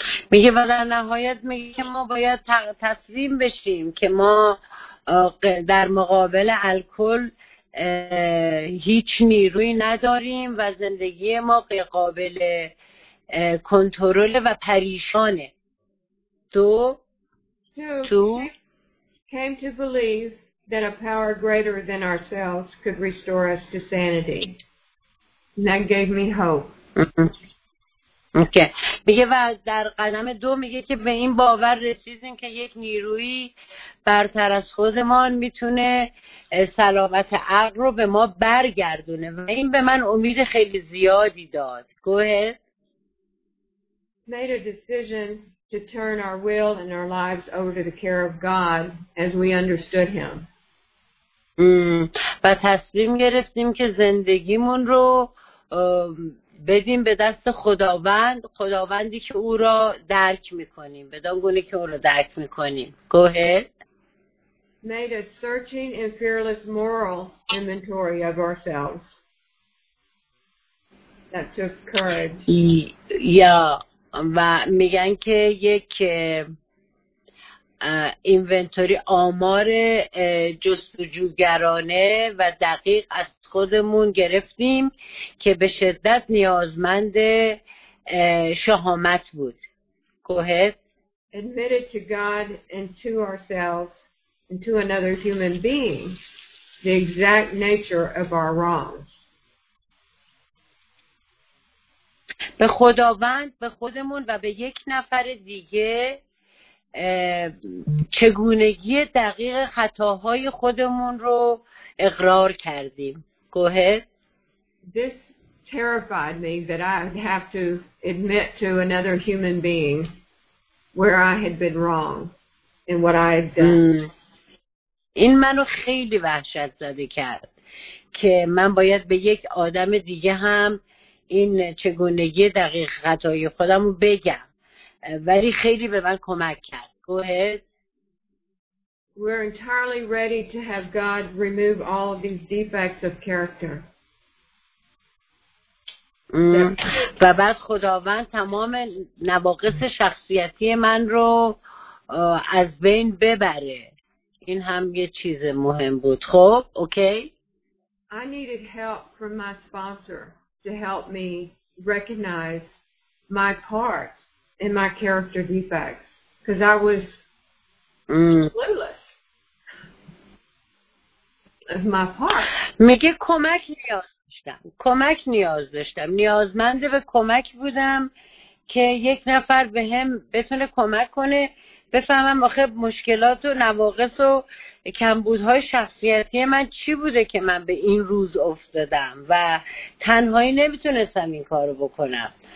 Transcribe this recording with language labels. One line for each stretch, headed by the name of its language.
Persian: میگه و در نهایت میگه که ما باید تسلیم بشیم که ما در مقابل الکل هیچ نیروی نداریم و زندگی ما غیر قابل کنترل و پریشانه.
English: Two. Came to believe that a power greater than ourselves could restore us to sanity. That gave me hope.
Persian: اوکی. میگه و در قدم دو میگه که به این باور رسیدیم که یک نیروی برتر از خودمان میتونه سلامت عقل رو به ما برگردونه و این به من امید خیلی زیادی داد.
English: Go ahead. Made a decision to turn our will and our lives over to the care of God as we understood him.
Persian: و تصمیم گرفتیم که زندگیمون رو بدیم به دست خداوند، خداوندی که او را درک میکنیم، بدان گونه که او را درک میکنیم.
English: Go ahead. Made a searching and fearless moral inventory of ourselves. That took courage.
Persian: و میگن که یک اینونتوری آمار جستجوگرانه و دقیق از خودمون گرفتیم که به شدت نیازمند شهامت بود.
English: Go ahead. Admitted to God and to ourselves and to another human being the exact nature of our wrongs.
Persian: به خداوند، به خودمون و به یک نفر دیگه چگونگی دقیق خطاهای خودمون رو اقرار کردیم.
English: Go ahead. This terrified me that I would have to admit to another human being where I had been wrong and what I had done.
Persian: این منو خیلی وحشت زده کرد که من باید به یک آدم دیگه هم این چگونگی دقیق خطای خودم رو بگم، ولی خیلی به من کمک کرد.
English: Go ahead. We're entirely ready to have God remove all of these defects of character.
Persian: و بعد خداوند تمام نواقص شخصیتی من رو از بین ببره. این هم یه چیز مهم بود. خب، اوکی؟
English: I needed help from my sponsor to help me recognize my parts and my character defects because I was clueless of my parts.
Persian: میگه کمک نیاز داشتم. کمک نیاز داشتم. نیازمند به کمک بودم که یک نفر به هم بتونه کمک کنه بفهمم آخه مشکلات و نواقص و کمبودهای شخصیتی من چی بوده که من به این روز افتادم و تنهایی نمیتونستم این کارو بکنم.